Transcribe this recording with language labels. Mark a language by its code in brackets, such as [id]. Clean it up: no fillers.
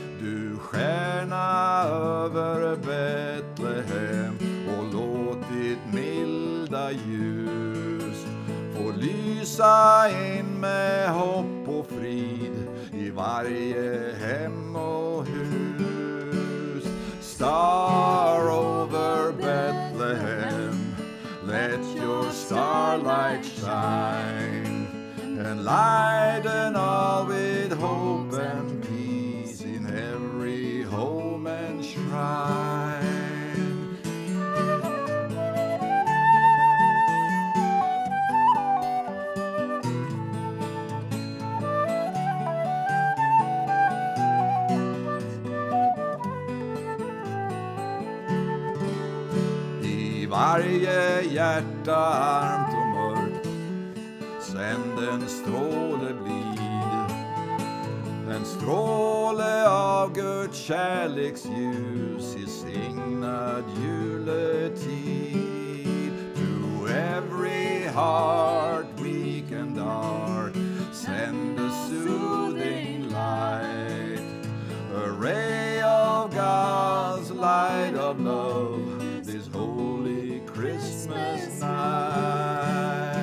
[sv] Du stjärna över Betlehem, och låt ditt milda ljus få lysa in med hopp och frid i varje hem och hus. [en] Star over Betlehem, let your starlight shine, and lighten all with hope and peace in every home and shrine. [sv] I varje hjärta armt och mörkt, sänd en stråle blid, en stråle av Guds kärleksljus i signad juletid. [en] To every heart weak and dark, send a soothing light, a ray of God's light of love this holy Christmas night.